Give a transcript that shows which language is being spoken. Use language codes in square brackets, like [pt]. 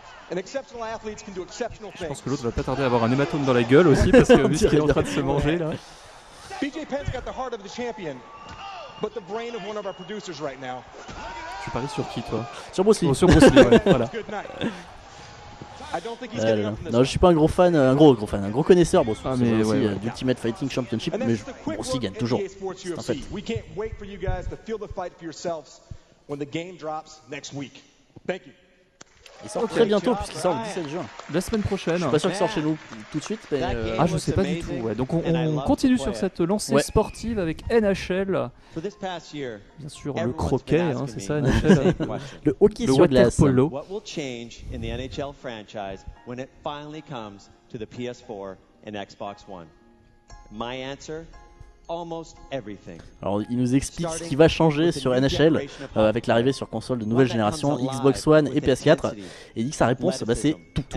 [fr] Je pense que l'autre va pas tarder à avoir un hématome dans la gueule aussi parce que vu ce qu'il est en train de se manger là. [en] BJ Penn's got the heart of the champion. But the brain of one of our producers right now. [fr] Tu paries sur qui toi? Sur Bruce Lee. Oh, sur Bruce Lee, ouais, voilà. Non, je suis pas un gros fan, un gros connaisseur, Bruce Lee, d'Ultimate Fighting Championship, mais Bruce Lee gagne toujours. En fait. [en] We can't wait for you guys to feel the fight for yourselves when the game drops next week. Thank you. [fr] Il sort très bientôt, puisqu'il sort le 17 juin. La semaine prochaine. Je suis pas sûr qu'il sort chez nous tout de suite. Mais Ah, je sais pas du tout. Ouais. Donc, on continue sur cette lancée sportive avec NHL. Bien sûr, le croquet, hein, c'est ça, NHL. Le hockey le sur glace. Le water polo. [en] What will change in the NHL franchise when it finally comes to the PS4 and Xbox One? My answer? Almost everything. [fr] Alors, il nous explique ce qui va changer sur NHL avec l'arrivée sur console de nouvelle génération, Xbox One et PS4. Et il dit que sa réponse, bah, c'est tout.